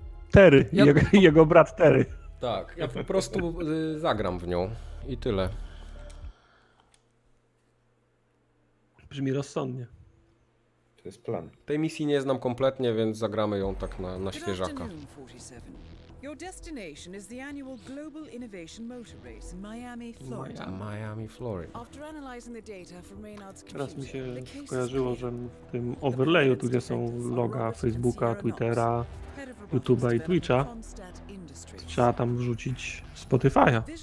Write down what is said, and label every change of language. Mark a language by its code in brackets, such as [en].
[pl] Terry, jego brat Terry. Tak, ja po prostu zagram w nią i tyle. Brzmi rozsądnie. To jest plan. Tej misji nie znam kompletnie, więc zagramy ją tak na świeżaka. [en] Your destination is the annual Global Innovation Motor Race in Miami, Florida. Miami, Florida. After analyzing the data from Reynolds computer, [pl] teraz mi się skojarzyło, że w tym overlayu, tu gdzie są loga Facebooka, Twittera, YouTube'a i Twitcha, trzeba tam wrzucić Spotify'a.